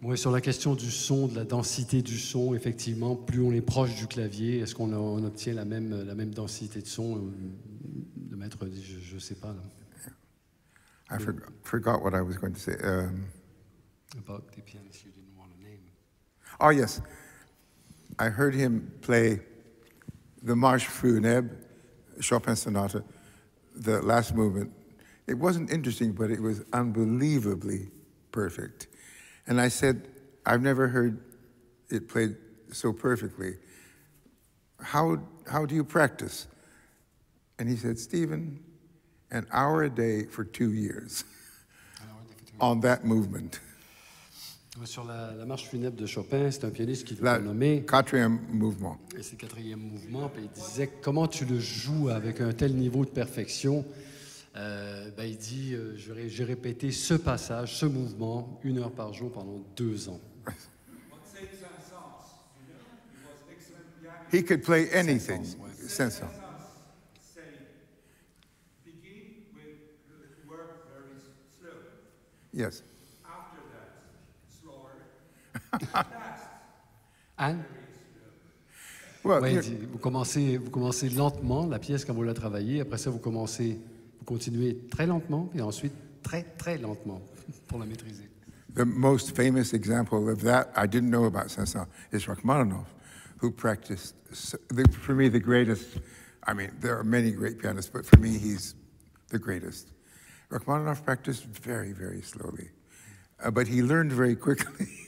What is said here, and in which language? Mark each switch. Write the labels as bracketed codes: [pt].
[fr] Oui, sur la question du son, de la densité du son, effectivement, plus on est proche du clavier, est-ce qu'on obtient la même densité de son? Le maître dit, je ne sais pas. Là. [en] I forgot what I was going to say. About the pianist you didn't want to name. Oh, yes. I heard him play the March Funèbre, Chopin Sonata, the last movement. It wasn't interesting, but it was unbelievably perfect. And I said, I've never heard it played so perfectly. how do you practice? And he said, Stephen, an hour a day for 2 years on that movement. [fr] Sur la marche funèbre de Chopin, c'est un pianiste qui l'a nommé. Quatrième mouvement. Et c'est le quatrième mouvement. Puis il disait, comment tu le joues avec un tel niveau de perfection? Il dit, j'ai répété ce passage, ce mouvement, une heure par jour pendant 2 ans. [en] He could play anything. Saint-Saëns. Yes. [fr] Anne, well, ouais, vous commencez lentement la pièce quand vous la travaillez. Après ça, vous continuez très lentement et ensuite très très lentement pour la maîtriser. [en] The most famous example of that I didn't know about Saint-Saëns is Rachmaninoff, who practiced. For me, the greatest. I mean, there are many great pianists, but for me, he's the greatest. Rachmaninoff practiced very very slowly, but he learned very quickly.